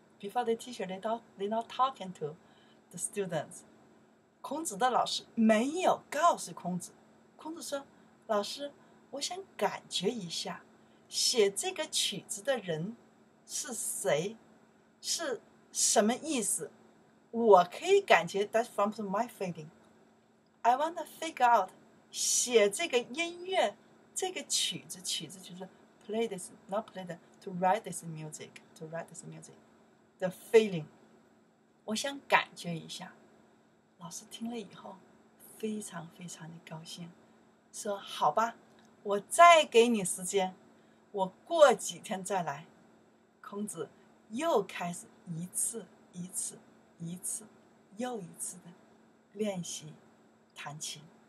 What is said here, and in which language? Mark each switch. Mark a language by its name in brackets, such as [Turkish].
[English] before the teacher, they're not talking to the students. [Chinese] 孔子的老师没有告诉孔子。孔子说，老师，我想感觉一下，写这个曲子的人是谁，是什么意思？我可以感觉 [English] that from my feeling. I want to figure out [Chinese] 写这个音乐这个曲子，曲子就是 [English] play this, not play the, to write this music, to write this music, the feeling. [Chinese] 我想感觉一下。老师听了以后非常非常的高兴，说好吧，我再给你时间，我过几天再来。孔子又开始一次一次一次又一次的练习弹琴。